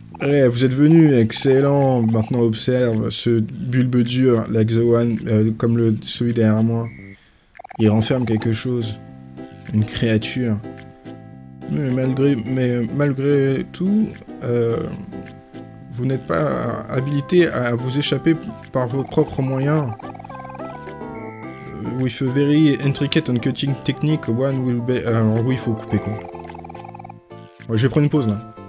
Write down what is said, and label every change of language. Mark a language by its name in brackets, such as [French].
[French] Ouais, vous êtes venu, excellent. Maintenant observe ce bulbe dur, [English] like the one, [French] comme celui derrière moi. Il renferme quelque chose. Une créature. Mais malgré tout, vous n'êtes pas habilité à vous échapper par vos propres moyens. [English] With a very intricate and cutting technique, one will be... [French] Alors oui, il faut couper, quoi. Ouais, je vais prendre une pause, là.